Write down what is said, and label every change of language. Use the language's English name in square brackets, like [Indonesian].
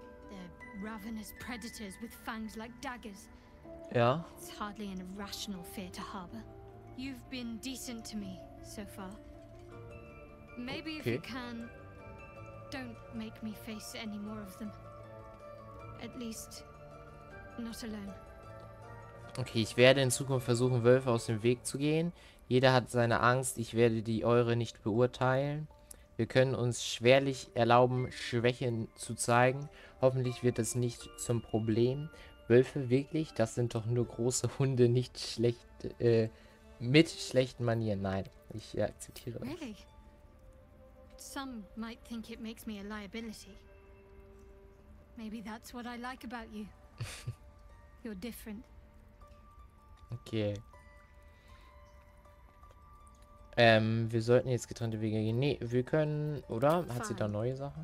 [English] They're ravenous predators with fangs like daggers. [German] Ja. [English] It's hardly an irrational fear to harbor. You've been decent to me so far. Maybe okay. If you can, don't make me face any more of them. At least, not alone. [German] Okay, ich werde in Zukunft versuchen, Wölfe aus dem Weg zu gehen. Jeder hat seine Angst, ich werde die eure nicht beurteilen. Wir können uns schwerlich erlauben, Schwächen zu zeigen. Hoffentlich wird das nicht zum Problem. Wölfe, wirklich? Das sind doch nur große Hunde, nicht schlecht, mit schlechten Manieren. Nein, ich akzeptiere das. [English] Really? Some might think it makes me a liability. Maybe that's what I like about you. You're different. Okay. [German] Wir sollten jetzt getrennte Wege gehen. Nee, wir können, oder? Hat sie da neue Sachen?